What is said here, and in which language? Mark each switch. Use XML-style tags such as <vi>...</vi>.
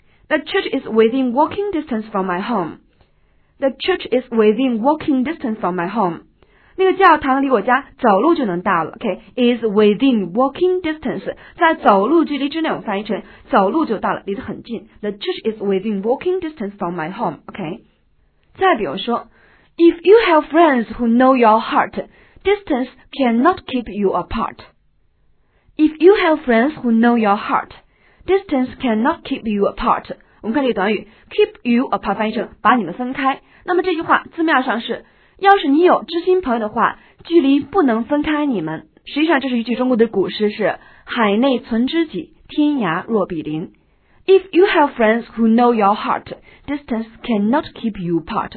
<en>The church is within walking distance from my home. The church is within walking distance from my home.</en> <zh>那个教堂离我家走路就能到了。</zh> <en>Okay, is within walking distance.</en> <zh>在走路距离之内，我翻译成走路就到了，离得很近。</zh> <en>The church is within walking distance from my home. Okay.</en> <zh>再比如说</zh> <en>，If you have friends who know your heart, distance cannot keep you apart. If you have friends who know your heart. Distance cannot keep you apart.</en> <zh>我们看这个短语 keep you apart 翻译成把你们分开。那么这句话字面上是，要是你有知心朋友的话，距离不能分开你们。实际上这是一句中国的古诗，是海内存知己，天涯若比邻。</zh> <en>If you have friends who know your heart, distance cannot keep you apart.</en>